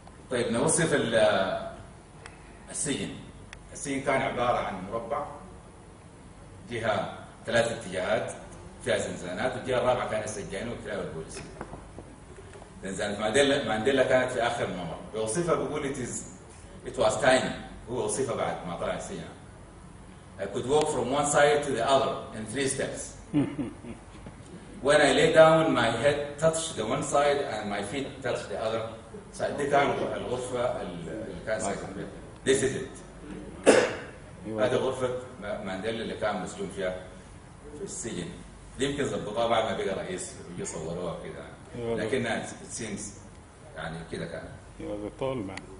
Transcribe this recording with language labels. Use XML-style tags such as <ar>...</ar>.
<ar>طيب نوصف السجن. السجن كان عبارة عن مربع جهة ثلاث اتجاهات فيها زنزانات والجهة الرابعة كان السجان وكلاب البوليس. زنزانة مانديلا كانت في آخر الممر بوصفها بقول</ar> <en>it was tiny.</en> <ar>هو وصفها بعد ما طلع السجن</ar> <en>I could walk from one side to the other in three steps. When I lay down my head touched the one side and my feet touched the other side.</en> <ar>دي كان الغرفة اللي كان سجن فيها.</ar> <en>This is it.</en> <ar>هذه غرفة مانديلا اللي كان مسجون فيها في السجن. دي يمكن ظبطها بعد ما بقى رئيس يصوروها كده لكنها</ar> <en>it seems</en> <ar>يعني كده كان. وهذا طول ما.</ar>